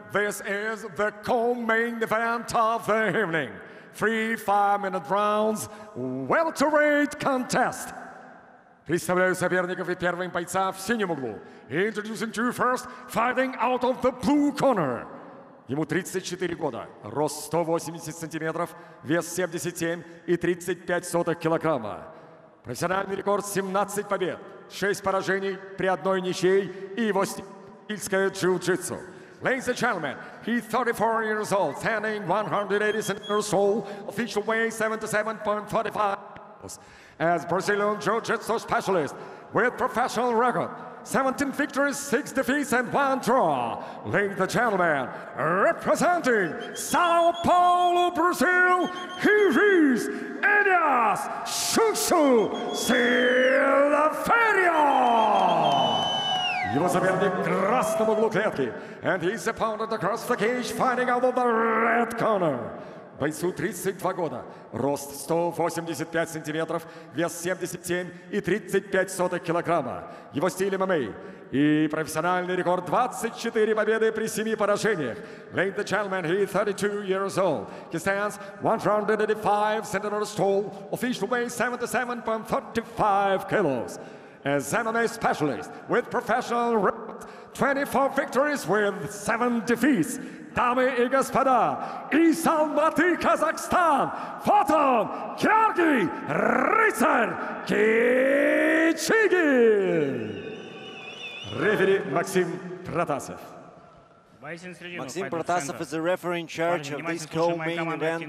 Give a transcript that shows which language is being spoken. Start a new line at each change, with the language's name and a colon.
English: This is the co-main event of the evening. 3 5-minute rounds, welterweight contest.
Russian: Представляю соперников и первым бойца в синем углу.
English: Introducing to you first, fighting out of the blue corner.
Russian: Ему 34 года, рост 180 сантиметров, вес 77,35 килограмма. Профессиональный рекорд 17 побед, 6 поражений при одной ничьей и его стильское джиу-джитсу.
English: Ladies and gentlemen, he's 34 years old, standing 180 centimeters tall, official weight 77.45. As Brazilian jiu-jitsu specialist with professional record, 17 victories, 6 defeats, and 1 draw. Ladies and gentlemen, representing Sao Paulo, Brazil, he is Elias Chuchu Silverio!
Russian: Его соперник в красном углу клетки.
English: And his opponent across the cage, fighting out of the red corner.
Russian: Бойцу 32 года. Рост 185 сантиметров, вес 77,35 килограмма. Его стиль ММА. И профессиональный рекорд 24 победы при 7 поражениях.
English: Ladies and gentlemen, he is 32 years old. He stands 185 centimeters tall. Official weight 77.35 kilos. As MMA specialist with professional record, 24 victories with 7 defeats.
Russian: Дамы и господа, из Алматы, Казахстан, фотон Георгий рыцарь Кичигин. Рефери Максим Протасов.
English: Максим Протасов is the referee in charge of this co-main event.